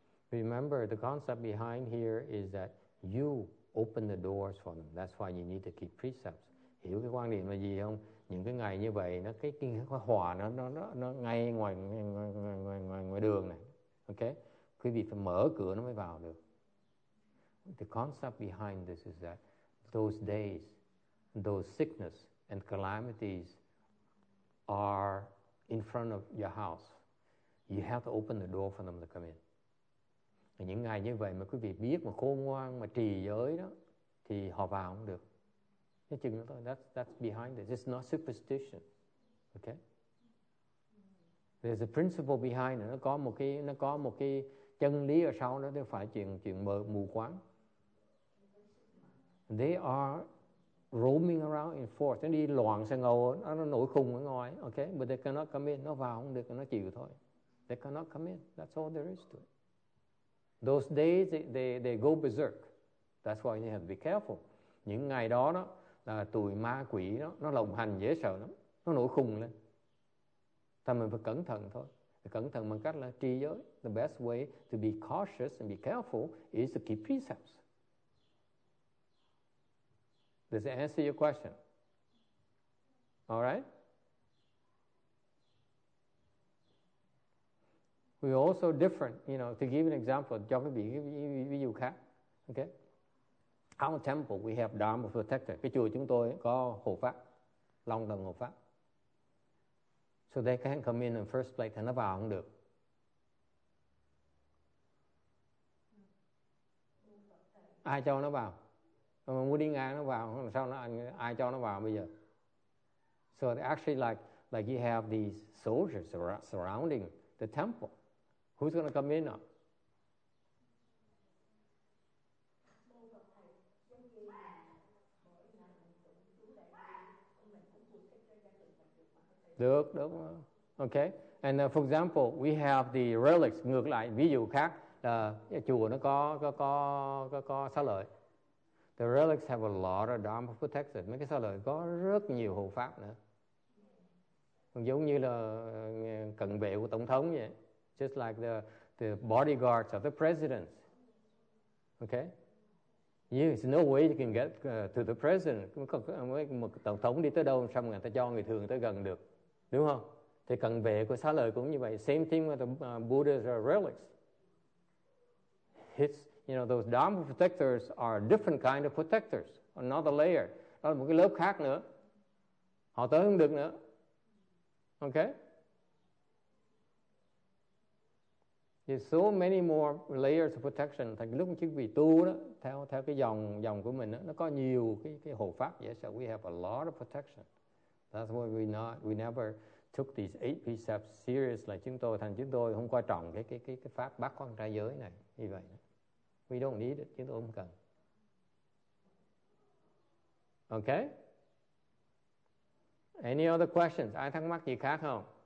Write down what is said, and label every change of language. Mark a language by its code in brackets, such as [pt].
[en] Remember, the concept behind here is that you open the doors for them. That's why you need to keep precepts. [vi] Hiểu cái quan điểm là gì không? Những cái ngày như vậy, nó cái hòa nó ngay ngoài đường này. Okay? Quý vị phải mở cửa nó mới vào được. [en] The concept behind this is that those days, those sickness and calamities are in front of your house. You have to open the door for them to come in. [vi] Và những ngày như vậy mà quý vị biết mà khôn ngoan, mà trì giới đó, thì họ vào không được. [en] That's behind it. It's not superstition, okay? There's a principle behind it. [vi] Nó có một cái chân lý ở sau đó. Đó phải chuyện mù quáng. [en] They are roaming around in forest. [vi] Nó đi loạn sang ngầu, nó nổi khùng ở ngoài, okay? [en] But they cannot come in. [vi] Nó vào không được, nó chịu thôi. [en] They cannot come in. That's all there is to it. Those days they go berserk. That's why you have to be careful. [vi] Những ngày đó. Là tụi ma quỷ đó, nó lộng hành dễ sợ lắm, nó nổi khùng lên. Thì mình phải cẩn thận thôi. Cẩn thận bằng cách là trì giới. [en] The best way to be cautious and be careful is to keep precepts. Does it answer your question? All right? We're also different, you know, to give an example, [vi] cho cái ví dụ khác, [en] okay? Our temple, we have Dharma protector. [vi] Cái chùa chúng tôi có hộ pháp, Long Tần hộ pháp. [en] So they can't come in first place, [vi] thì nó vào không được. Ai cho nó vào? Mà muốn đi ngang nó vào, sao nó ai cho nó vào bây giờ? [en] So actually like you have these soldiers surrounding the temple. Who's going to come in now? [vi] Được, đúng không? [en] Okay. And for example, we have the relics. [vi] Ngược lại, ví dụ khác, chùa nó có xá lợi. [en] The relics have a lot of dharma protection. [vi] Mấy cái xá lợi có rất nhiều hộ pháp nữa. Giống như là cận vệ của tổng thống vậy. [en] Just like the bodyguards of the president. Okay. There's no way you can get to the president. [vi] Một tổng thống đi tới đâu, sao người ta cho người thường tới gần được. Đúng không? Thì cận vệ của xá lợi cũng như vậy. [en] Same thing with the Buddha's relics. It's, you know, those Dharma protectors are different kind of protectors. Another layer. [vi] Đó là một cái lớp khác nữa. Họ tới không được nữa. Okay? [en] There's so many more layers of protection. [vi] Thành lúc chứ vị tu đó, theo theo cái dòng dòng của mình đó, nó có nhiều cái hộ pháp. [en] Yes, so we have a lot of protection. That's why we never took these eight precepts serious. [vi] Like chúng tôi, thành chúng tôi không quan trọng cái pháp bát quan trai giới này. Như vậy, [en] we don't need it. [vi] Chúng tôi không cần. [en] Okay. Any other questions? [vi] Ai thắc mắc gì khác không?